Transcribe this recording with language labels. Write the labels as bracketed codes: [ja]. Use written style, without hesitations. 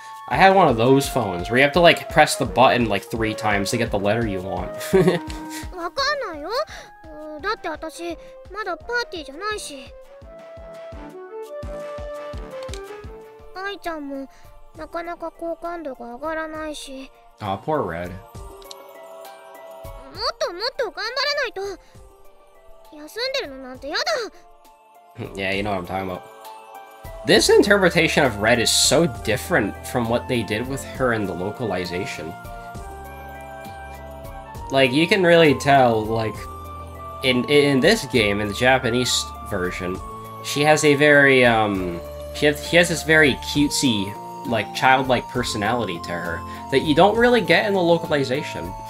[en] I had one of those phones where you have to like press the button like 3 times to get the letter you want. [ja] わかんないよ。だって私まだパーティーじゃないし。アイちゃんも。なかなか好感度が上がらないし。 [en] あ、poor Red。 [ja] もっともっと頑張らないと。休んでるのなんてやだ。 [en] Yeah, you know what I'm talking about. This interpretation of Red is so different from what they did with her in the localization. Like, you can really tell, like, in this game, in the Japanese version, she has a very, she has this very cutesy, like, childlike personality to her that you don't really get in the localization.